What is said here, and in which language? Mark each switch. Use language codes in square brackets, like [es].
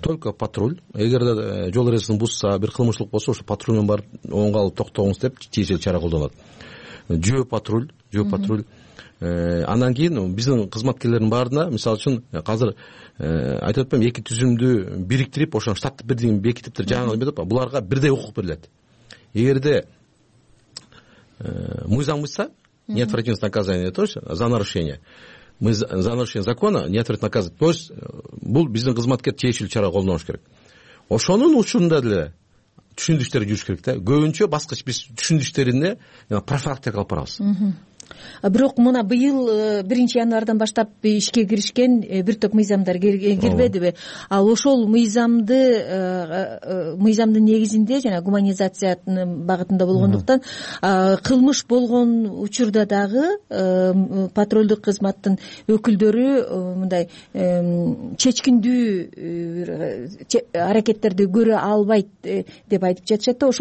[ru] Только [ky] патруль, эгерде жол эрежесин бузса, бир кылмыштык болсо, ошо патруль менен барып оңго алып токтогуңуз деп тиешелүү чара колдонулат. Жөө патруль. Анан кийин биздин кызматкерлердин баарына, мисалы үчүн, азыр айтып атпайм, эки түзүмдү бириктирип, ошону штаттык бирдигин бекитип жаңыртып, буларга бирдей укук берилет. Эгерде мыйзам бузса, [ru] неотвратимость наказания, то есть за нарушение. Мы за нарушение закона неотвратимость наказывать. То есть [ky] бул биздин кызматкер тиешелүү чара колдонуш керек. Ошонун учурунда деле түшүндүрүштөр жүрүш керек да. Көбүнчө баскыч биз түшүндүрүштөрүнө профилактика алып барабыз. Бирок мына быйыл 1-январдан баштап ишке киришкен бир топ мыйзамдар кирбедиби? Ал ошол мыйзамдын негизинде жана гуманизациянын багытында болгондуктан кылмыш болгон учурда дагы патрулдук кызматтын өкүлдөрү мындай чечкиндүү аракеттерди көрө албайт деп айтып жатышат да.